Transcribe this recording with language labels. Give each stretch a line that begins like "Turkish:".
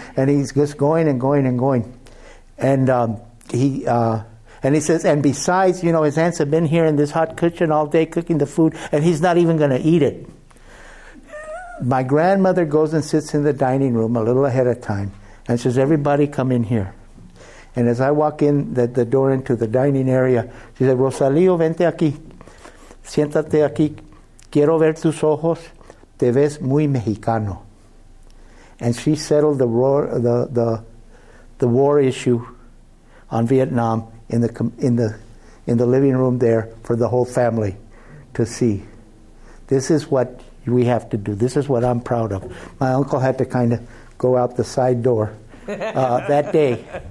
English: And he's just going and going and going. And he says, and besides, you know, his aunts have been here in this hot kitchen all day cooking the food, and he's not even going to eat it. My grandmother goes and sits in the dining room a little ahead of time and says, everybody come in here. And as I walk in the door into the dining area, she said, Rosalio,
Spanish: vente aquí. Siéntate aquí. Quiero ver tus ojos, te ves muy mexicano.
English: And she settled the war issue on Vietnam in the living room there for the whole family to see. This is what we have to do. This is what I'm proud of. My uncle had to kind of go out the side door that day.